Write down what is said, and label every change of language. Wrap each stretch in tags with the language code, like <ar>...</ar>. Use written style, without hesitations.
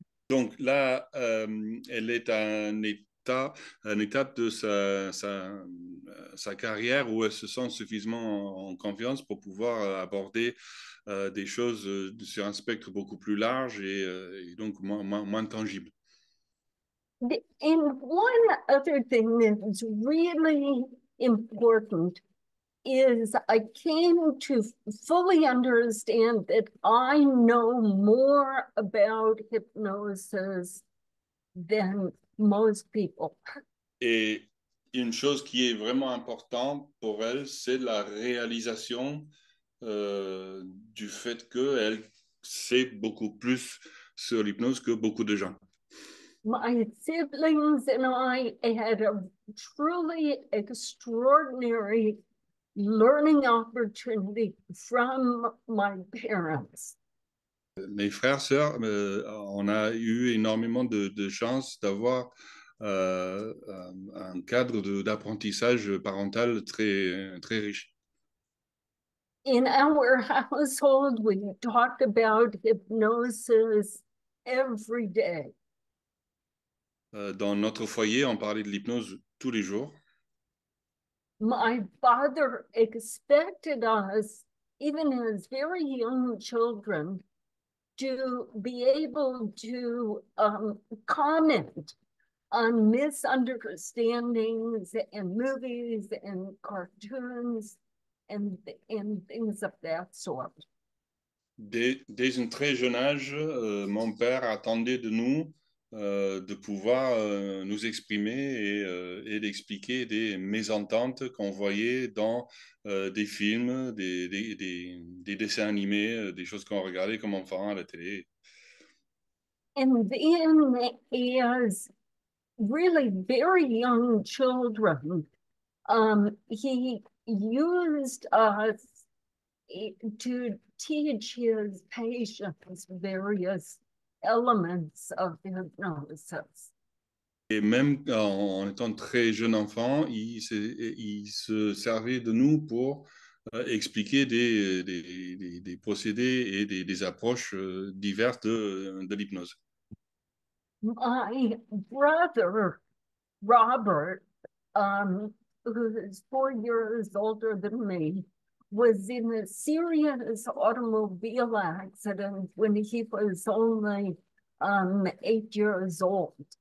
<fr>Donc là, elle est à une étape de sa carrière où elle se sent suffisamment en confiance pour pouvoir aborder des choses sur un spectre beaucoup plus large et donc moins tangible.</fr> <en>And one other thing that's really important is I came to fully understand that I know more about hypnosis than most people.</en> <fr>Et une chose qui est vraiment importante pour elle, c'est la réalisation du fait qu'elle sait beaucoup plus sur l'hypnose que beaucoup de gens.</fr> <en>My siblings and I had a truly extraordinary learning opportunity from my parents.</en> <fr>Mes frères, sœurs, on a eu énormément de chance d'avoir un cadre d'apprentissage parental très, très riche.</fr> <en>In our household, we talked about hypnosis every day.</en> <fr>Dans notre foyer, on parlait de l'hypnose tous les jours.</fr> <en>My father expected us, even as very young children, to be able to comment on misunderstandings and movies and cartoons and things of that sort.</en> <fr>Dès un très jeune âge, mon père attendait de nous de pouvoir nous exprimer et d'expliquer des mésententes qu'on voyait dans des films, des dessins animés, des choses qu'on regardait comme enfant à la télé.</fr> <en>And then, as really very young children, he used us to teach his patients various elements of hypnosis.</en> <fr>Et même en étant très jeune enfant, il se servait de nous pour expliquer des procédés et des approches diverses de l'hypnose.</fr> <en>My brother, Robert, who is 4 years older than me, was in a serious automobile accident when he was only 8 years old.</en>